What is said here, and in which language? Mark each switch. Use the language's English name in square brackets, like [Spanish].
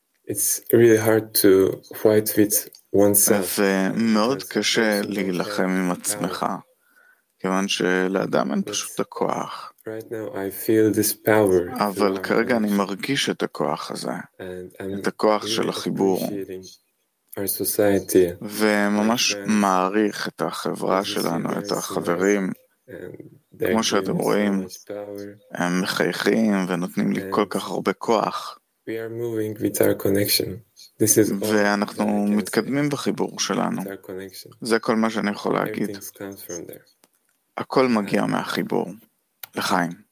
[English] It's really hard to fight with oneself. [Hebrew] מאוד קשה להילחם עם עצמך, כיוון שלאדם אין פשוט הכוח. [English] Right now I feel this power. [Hebrew] אבל כרגע אני מרגיש את הכוח הזה, את הכוח של החיבור. [English] Our society. [Hebrew] וממש מעריך את החברה שלנו, את החברים. כמו שאתם רואים, הם מחייכים ונותנים לי כל כך הרבה כוח. [English] We are moving with our connection. This is all. [Hebrew] ואנחנו מתקדמים בחיבור שלנו. זה כל מה שאני יכול להגיד. הכל מגיע מהחיבור. לחיים.